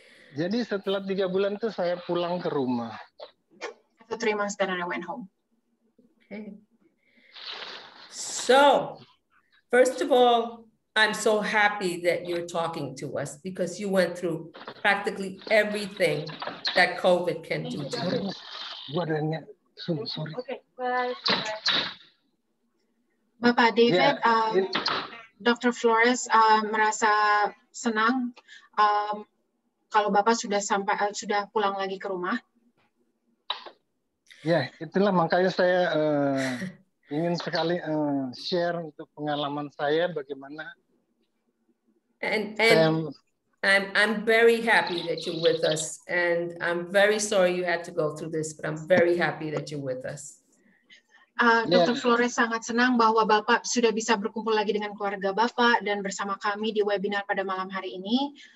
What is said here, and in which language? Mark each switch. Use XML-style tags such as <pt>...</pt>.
<id>Jadi setelah 3 bulan itu saya pulang ke rumah.</id> <en>After 3 months, then I went home. Okay. So, first of all, I'm so happy that you're talking to us because you went through practically everything that COVID can do to you. Okay.</en> <id>Bapak David, Dr. Flores merasa senang. Kalau Bapak sudah pulang lagi ke rumah. Ya, itulah makanya saya ingin sekali share untuk pengalaman saya bagaimana.</id> <en>And I'm very happy that you're with us, and I'm very sorry you had to go through this, but I'm very happy that you're with us. Dr. Yeah.</en> <id>Flores sangat senang bahwa Bapak sudah bisa berkumpul lagi dengan keluarga Bapak dan bersama kami di webinar pada malam hari ini.</id>